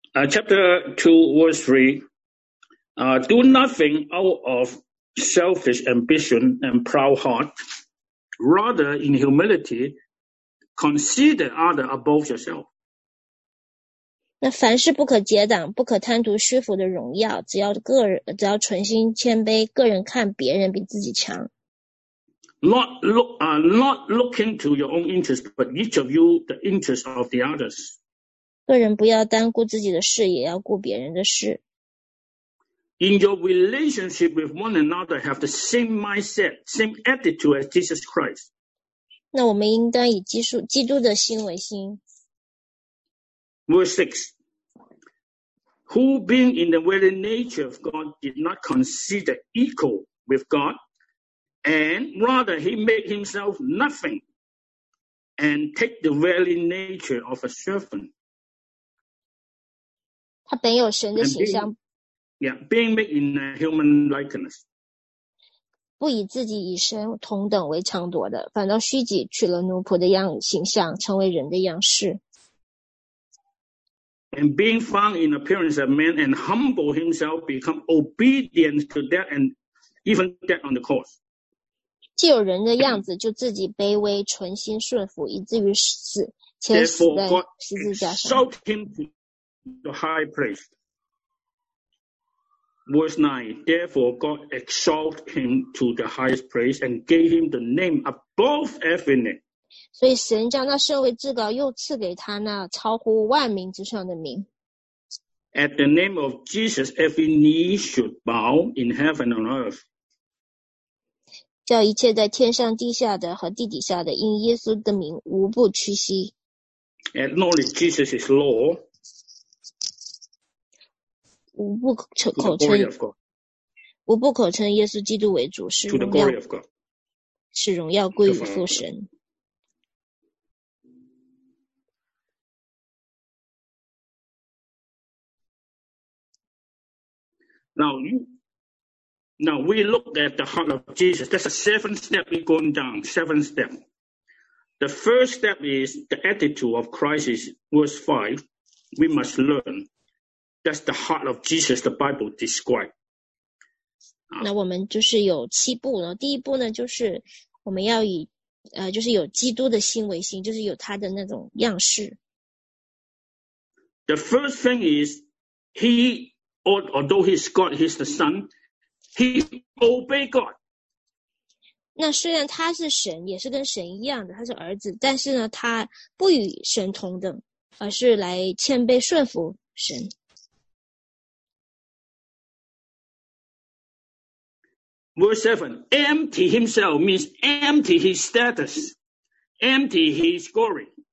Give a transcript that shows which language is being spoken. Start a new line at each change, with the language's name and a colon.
English: Chapter 2, verse 3. Do nothing out of selfish ambition and proud heart. Rather, in humility, consider other above yourself.
Chinese: 那凡事不可结党，不可贪图虚浮的荣耀，只要个人，只要存心谦卑，个人看别人比自己强。
English: Not looking to your own interest, but each of you the interest of the others.
Chinese: 个人不要单顾自己的事，也要顾别人的事。
English: In your relationship with one another, have the same mindset, same attitude as Jesus Christ.
Chinese: 那我们应当以基督的心为心。
English: Verse 6, who being in the very nature of God did not consider equal with God, and rather he made himself nothing, and take the very nature of a servant.
Chinese: 他本有神的形象。
English: being made in a human likeness.
Chinese: 不以自己以神同等为强夺的，反倒虚己，取了奴仆的样形象，成为人的样式。
English: And being found in appearance of man and humble himself, become obedient to death and even death on the cross.
Chinese: 既有人的样子，就自己卑微，存心顺服，以至于死，且死在十字架上。
English: Therefore, God exalted him to the high place. Verse 9, therefore God exalted him to the highest place and gave him the name above every name.
Chinese: 所以神将那圣位至高又赐给他那超乎万民之上的名。
English: At the name of Jesus, every knee should bow in heaven and earth.
Chinese: 叫一切在天上地下的和地底下的因耶稣的名无不屈膝。
English: Acknowledge Jesus is Lord.
Chinese: 无不口称。无不口称耶稣基督为主，是荣耀。是荣耀归于父神。
English: Now we look at the heart of Jesus. That's a seven step we're going down, seven step. The first step is the attitude of Christ is verse 5. We must learn. That's the heart of Jesus the Bible describes.
Chinese: 那我们就是有七步呢。第一步呢就是我们要以就是有基督的心为心，就是有他的那种样式。
English: The first thing is although he's God, he's the Son, he obeyed God.
Chinese: 那虽然他是神，也是跟神一样的，他是儿子，但是呢，他不与神同等，而是来谦卑顺服神。
English: Verse 7, empty himself means empty his status, empty his glory.